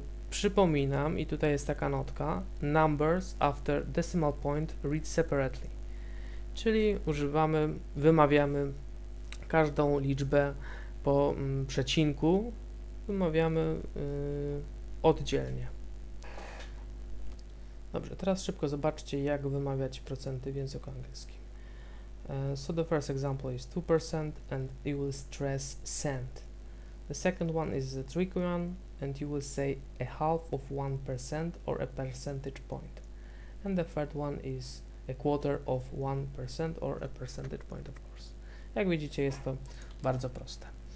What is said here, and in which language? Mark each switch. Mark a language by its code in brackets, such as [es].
[pl] Przypominam, i tutaj jest taka notka, [en] numbers after decimal point read separately, [pl] czyli wymawiamy każdą liczbę po przecinku, wymawiamy oddzielnie. Dobrze, teraz szybko zobaczcie, jak wymawiać procenty w języku angielskim. [en] So the first example is 2% and you will stress cent. The second one is a tricky one, and you will say a half of 1% or a percentage point. And the third one is a quarter of 1% or a percentage point, of course. [pl] Jak widzicie, jest to bardzo proste.